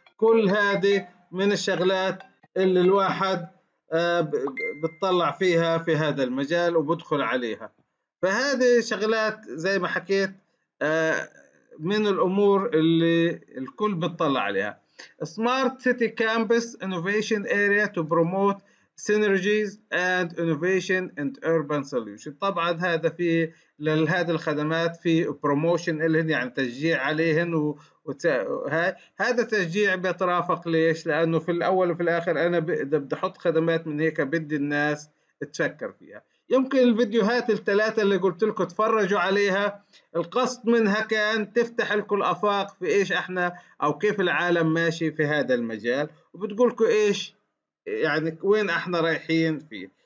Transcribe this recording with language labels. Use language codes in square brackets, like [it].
[ar] كل هذه من الشغلات اللي الواحد بتطلع فيها في هذا المجال وبدخل عليها. فهذه شغلات زي ما حكيت من الأمور اللي الكل بتطلع عليها. [en] Smart City Campus Innovation Area to promote synergies and innovation and urban solution. [ar] طبعا هذا في لهذه الخدمات في بروموشن لهن، يعني تشجيع عليهن، هذا تشجيع بيترافق ليش؟ لانه في الاول وفي الاخر انا بدي احط خدمات من هيك بدي الناس تفكر فيها. يمكن الفيديوهات الثلاثة اللي قلت لكم تفرجوا عليها، القصد منها كان تفتح لكم الافاق في ايش احنا او كيف العالم ماشي في هذا المجال، وبتقول لكم ايش يعني وين احنا رايحين فيه.